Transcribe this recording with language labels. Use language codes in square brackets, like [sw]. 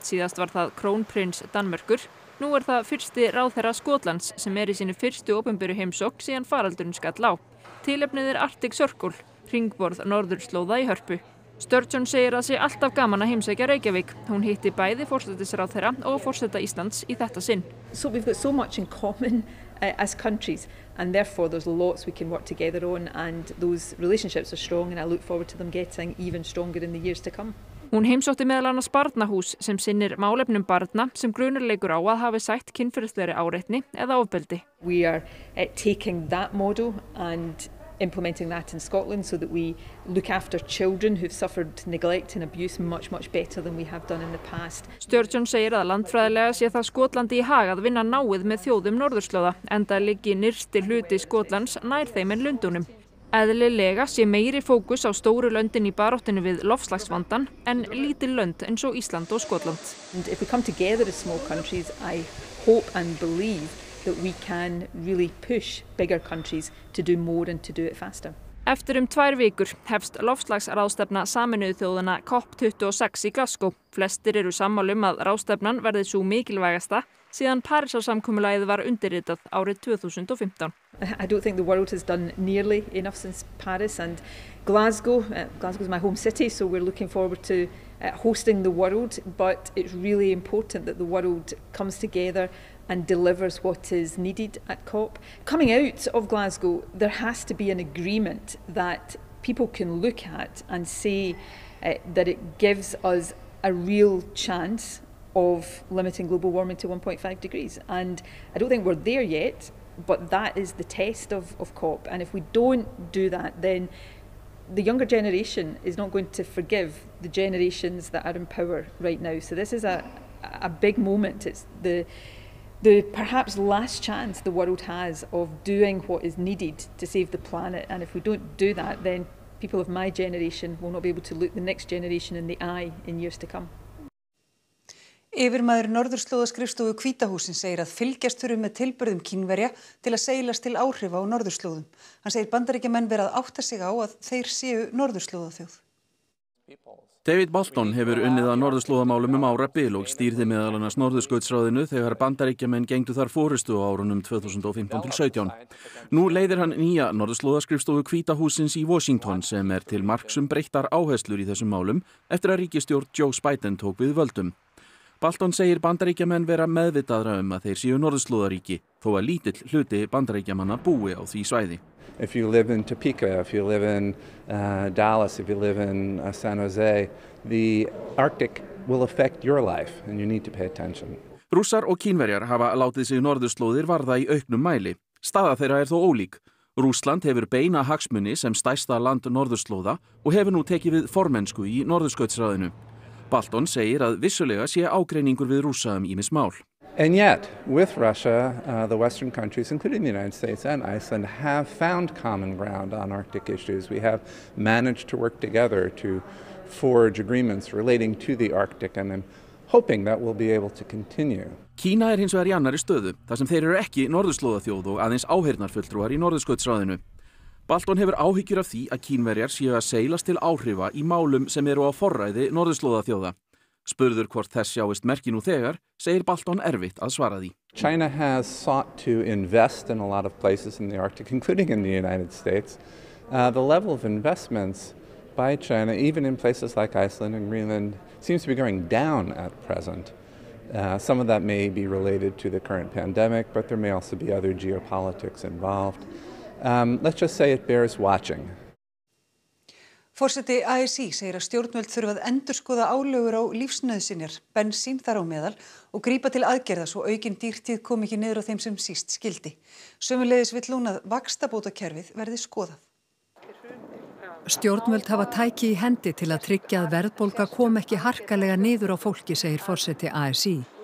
[is] Síðast var það krónprins Danmörkur. Nú það fyrsti ráðherra Skotlands sem í sínu fyrstu opinberu heimsókn síðan faraldurinn skall á. Tilefnið Arctic Circle. Hringborð norðurslóða í Hörpu. Sturgeon segir að sé alltaf gaman að heimsækja Reykjavík. Hún hitti bæði forsætisráðherra og forseta Íslands í þetta sinn. [en] So we've got so much in common as countries and therefore there's lots we can work together on and those relationships are strong and I look forward to them getting even stronger in the years to come. [is] Hún heimsótti meðal annars barnahús sem sinnir málefnum barna sem grunur leikur á að hafi sætt kynferðislegri áreitni eða ofbeldi. [en] We are taking that model and implementing that in Scotland so that we look after children who've suffered neglect and abuse much better than we have done in the past. [is] Sturgeon segir að landfræðilega sé það Skotlandi í hag að vinna náið með þjóðum norðurslóða enda liggi nyrsti hluti Skotlands nær þeim en Lundúnum. Eðlilega sé meiri fókus á stóru löndin í baráttinu við loftslagsvandan en lítil lönd eins og Ísland og Skotland. [en] And if we come together as small countries I hope and believe that we can really push bigger countries to do more and to do it faster. [is] Eftir 2 vikur hefst loftslagsráðstefna Sameinuðu þjóðanna COP26 í Glasgow. Flestir eru sammála að ráðstefnan verði sú mikilvægasta síðan Parísarsamkomulagið var undirritað árið 2015. [en] I don't think the world has done nearly enough since Paris and Glasgow is my home city so we're looking forward to hosting the world but it's really important that the world comes together and delivers what is needed at COP. Coming out of Glasgow, there has to be an agreement that people can look at and say that it gives us a real chance of limiting global warming to 1.5 degrees. And I don't think we're there yet, but that is the test of COP. And if we don't do that, then the younger generation is not going to forgive the generations that are in power right now. So this is a big moment. It's the perhaps last chance the world has of doing what is needed to save the planet and if we don't do that then people of my generation will not be able to look the next generation in the eye in years to come. [is] Yfirmaður norðurslóðaskrifstofu Hvíta hússins segir að fylgjast þurfi með tilburðum Kínverja til að seilast til áhrifa á norðurslóðum. Hann segir Bandaríkjamenn vera að átta sig á að þeir séu norðurslóðaþjóð. David Bolton hefur unnið að norðurslóðamálum árabil og stýrði meðal annars norðurskautsráðinu þegar Bandaríkjamenn gengdu þar forystu á árunum 2015-17. Nú leiðir hann nýja norðurslóðaskrifstofu Hvíta hússins í Washington sem til marks breyttar áherslur í þessum málum eftir að ríkisstjórn Joe Biden tók við völdum. Bolton segir Bandaríkjamenn vera meðvitaðra að þeir séu norðurslóðaríki þó að lítill hluti Bandaríkjamanna búi á því svæði. [en] If you live in Topeka, if you live in Dallas, if you live in San Jose, the Arctic will affect your life and you need to pay attention. [is] Rússar og Kínverjar hafa látið sig norðurslóðir varða í auknum mæli. Staða þeirra þó ólík. Rússland hefur beina hagsmuni sem stærsta land norðurslóða og hefur nú tekið við formennsku í norðurskautsráðinu. Bolton segir að vissulega sé ágreiningur við Rússa ýmis mál. [en] And yet, with Russia, the Western countries, including the United States and Iceland, have found common ground on Arctic issues. We have managed to work together to forge agreements relating to the Arctic, and I'm hoping that we'll be able to continue. [is] Kína er hins vegar í annarri stöðu, þar sem þeir eru ekki norðurslóðaþjóð og aðeins áheyrnarfulltrúar í norðurskautsráðinu. Balton hefur áhyggjur af því að kínverjar séu að seilast til áhrifa í málum sem eru á forræði norðurslóðaþjóða. Spurður hvort þess sjáist merki nú þegar, segir Balton erfitt að svara því. [en] China has sought to invest in a lot of places in the Arctic, including in the United States. The level of investments by China, even in places like Iceland and Greenland, seems to be going down at present. Some of that may be related to the current pandemic, but there may also be other geopolitics involved. Let's just say it bears watching. [is] Forseti ASÍ segir að stjórnvöld þurfa að endurskoða álögur á lífsnauðsynjar, bensín þar á meðal, og grípa til aðgerða svo aukin dýrtíð kom ekki niður á þeim sem síst skildi. Sömuleiðis vill hún að vaxtabótakerfið verði skoðað. Stjórnvöld hafa tæki í hendi til að tryggja að verðbólga kom ekki harkalega niður á fólki, segir forseti ASÍ.